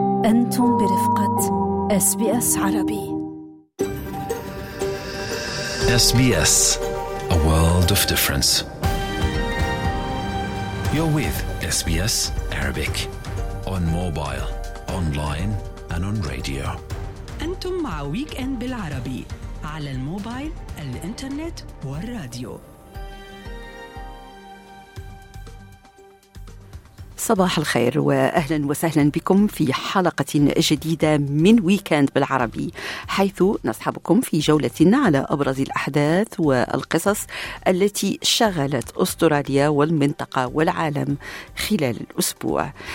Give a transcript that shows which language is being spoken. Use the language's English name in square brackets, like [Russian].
[Arabic] أنتم برفقة SBS عربي. [English] SBS, a world of difference. You're with SBS Arabic on mobile, online and on radio. [Arabic] أنتم مع ويك إند بالعربي على الموبايل, الإنترنت والراديو. صباح الخير وأهلا وسهلا بكم في حلقة جديدة من ويكند بالعربي, حيث نصحبكم في جولة على أبرز الأحداث والقصص التي شغلت أستراليا والمنطقة والعالم خلال الأسبوع.